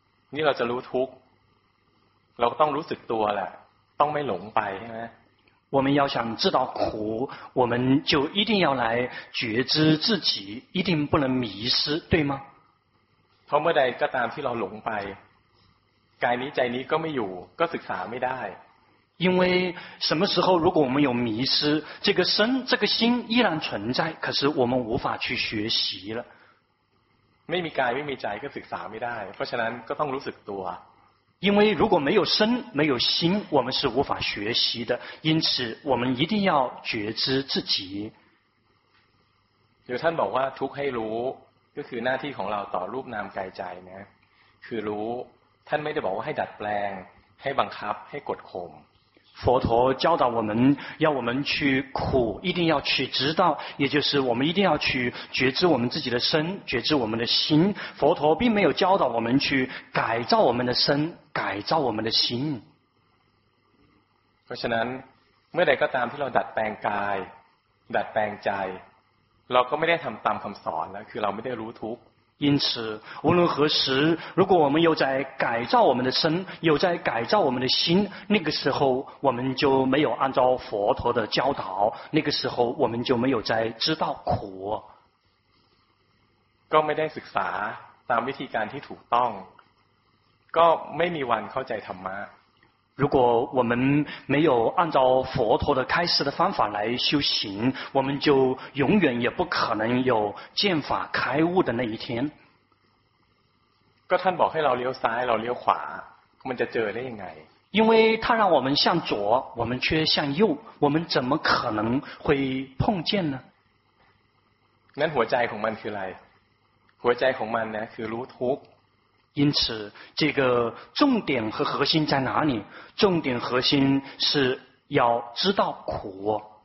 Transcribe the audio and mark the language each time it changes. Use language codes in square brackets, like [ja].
[zh] 你要知道苦， [th] เราต้องรู้สึกตัวแหละต้องไม่หลงไปใช่ไหม วันอยากจะรู้ [zh] 苦我们就一定要来觉知自己一定不能迷失对吗 [th] พอเมื่อใดก็ตามที่เราหลงไปกายนี้ใจนี้ก็ไม่อยู่ก็ศึกษาไม่ได้ [zh] 因为什么时候如果我们有迷失这个身这个心依然存在可是我们无法去学习了 [th] ไม่มีกายไม่มีใจก็ศึกษาไม่ได้เพราะฉะนั้นก็ต้องรู้สึกตัว [zh] 因为如果没有身没有心我们是无法学习的因此我们一定要觉知自己 [th] 有ท่านบอกว่าทุกข์ให้รู้ก็คือหน้าที่ของเราต่อรูปนามกายใจนะคือรู้ท่านไม่ได้บอกว่าให้ดัดแปลงให้บังคับให้กดข่ม [zh] 佛陀教导我们要我们去苦一定要去知道也就是我们一定要去觉知我们自己的身觉知我们的心佛陀并没有教导我们去改造我们的身改造我们的心 [th] เพราะฉะนั้นเมื่อใดก็ตามที่เราดัดแปลงกายดัดแปลงใจเราก็ไม่ได้ทำตามคำสอนแล้วคือเราไม่ได้รู้ทุกข์ [zh] 因此无论何时如果我们有在改造我们的身有在改造我们的心那个时候我们就没有按照佛陀的教导那个时候我们就没有在知道苦 [th] ก็ไม่ได้ศึกษาตามวิธีการที่ถูกต้องก็ไม่มีวันเข้าใจธรรมะ [zh] 如果我们没有按照佛陀的开示的方法来修行，我们就永远也不可能有见法开悟的那一天。 [th] ก็ท่านบอกให้เราเลี้ยวซ้ายเราเลี้ยวขวามันจะเจอได้ยังไง [zh] 因为他让我们向左，我们却向右，我们怎么可能会碰见呢？ [th] นั้นหัวใจของมันคืออะไร？ หัวใจของมันนะคือรู้ทุกข์ [zh] 因此这个重点和核心在哪里重点核心是要知道苦